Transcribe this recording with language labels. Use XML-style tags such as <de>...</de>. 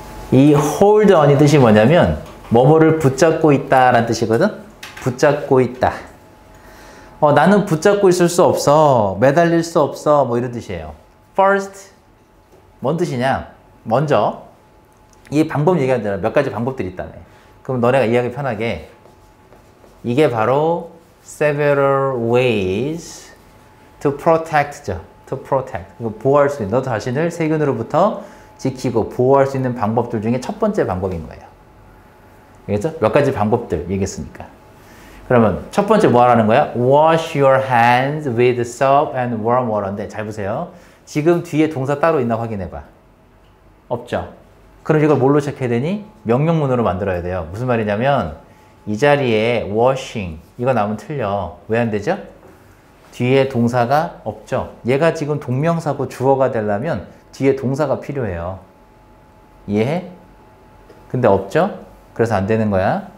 <ko>이</ko> <en>hold on</en> <ko>이 뜻이 뭐냐면 뭐뭐를 붙잡고 있다 라는 뜻이거든? 붙잡고 있다. 나는 붙잡고 있을 수 없어. 매달릴 수 없어. 뭐 이런 뜻이에요. First, 뭔 뜻이냐? 먼저, 이 방법 얘기하잖아. 몇 가지 방법들이 있다네. 그럼 너네가 이해하기 편하게. 이게 바로</ko> <en>several ways to protect</en> <ko>죠.</ko> <en>To protect.</en> <ko>보호할 수 있는, 너 자신을 세균으로부터 지키고 보호할 수 있는 방법들 중에 첫 번째 방법인 거예요. 알겠죠? 몇 가지 방법들 얘기했으니까. 그러면 첫 번째 뭐 하라는 거야?</ko> <en>Wash your hands with soap and warm water</en> <ko>인데 잘 보세요. 지금 뒤에 동사 따로 있나 확인해봐. 없죠? 그럼 이걸 뭘로 체크해야 되니? 명령문으로 만들어야 돼요. 무슨 말이냐면 이 자리에 washing 이거 나오면 틀려. 왜 안 되죠? 뒤에 동사가 없죠? 얘가 지금 동명사고 주어가 되려면 뒤에 동사가 필요해요. 이해해? 근데 없죠? 그래서 안 되는 거야.</ko>